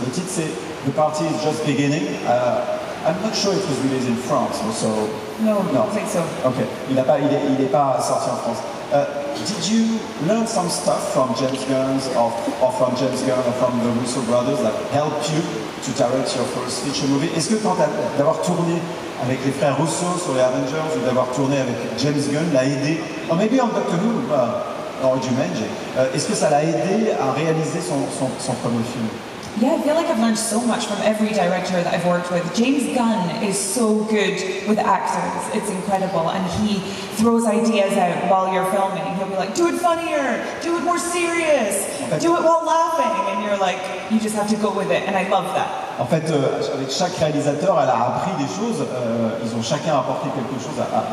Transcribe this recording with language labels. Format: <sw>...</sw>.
<fr>Le titre, c'est The Party Is Just Beginning.</fr> <en>I'm not sure it was released in France, also. No, I don't think so. Okay.</en> <fr>Il n'est pas sorti en France.</fr> <en>Did you learn some stuff from James Gunn or from the Russo brothers that helped you to direct your first feature movie?</en> <fr>Est-ce que quand d'avoir tourné avec les frères Russo sur les Avengers ou d'avoir tourné avec James Gunn l'a aidé?</fr> <en>Or maybe on Doctor Who, or Jumanji.</en> <fr>Est-ce que ça l'a aidé à réaliser son premier film?</fr> <en>Yeah, I feel like I've learned so much from every director that I've worked with. James Gunn is so good with actors. It's incredible. And he throws ideas out while you're filming. He'll be like, do it funnier, do it more serious, do it while laughing. And you're like, you just have to go with it. And I love that.</en> <fr>En fait, avec chaque réalisateur, elle a appris des choses. Ils ont chacun apporté quelque chose à</fr>